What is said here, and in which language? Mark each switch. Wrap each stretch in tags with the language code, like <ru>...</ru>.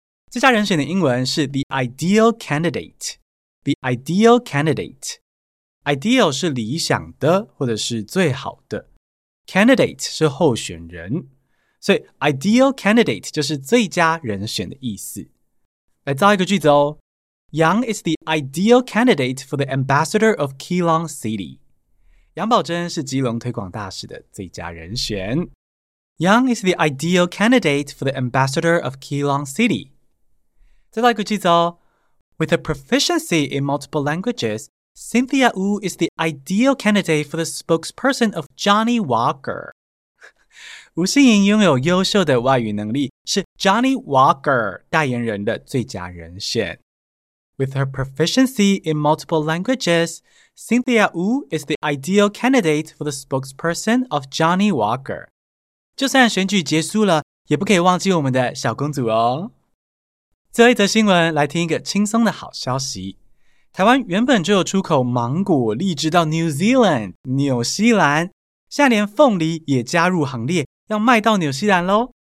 <zh>最佳人选的英文是</zh> <en>the ideal candidate。the ideal candidate。</en> <zh>ideal 是理想的或者是最好的， candidate 是候选人，所以 ideal candidate 就是最佳人选的意思。来造一个句子哦。</zh> <en>Yang is the ideal candidate for the ambassador of Keelong City.</en> <zh>杨宝珍是基隆推广大使的最佳人选。</zh> <en>Yang is the ideal candidate for the ambassador of Keelong City.</en> <zh>再来一个句子哦。</zh> <en>With a proficiency in multiple languages, Cynthia Wu is the ideal candidate for the spokesperson of Johnny Walker.</en> <zh>吴欣盈拥有优秀的外语能力，是 Johnny Walker 代言人的最佳人选。</zh> <en>With her proficiency in multiple languages, Cynthia Wu is the ideal candidate for the spokesperson of Johnny Walker.</en> <zh>就算选举结束了，也不可以忘记我们的小公主哦。最后一则新闻，来听一个轻松的好消息。台湾原本就有出口芒果、荔枝到 New Zealand, 纽西兰，现在连凤梨也加入行列，要卖到纽西兰咯。</zh>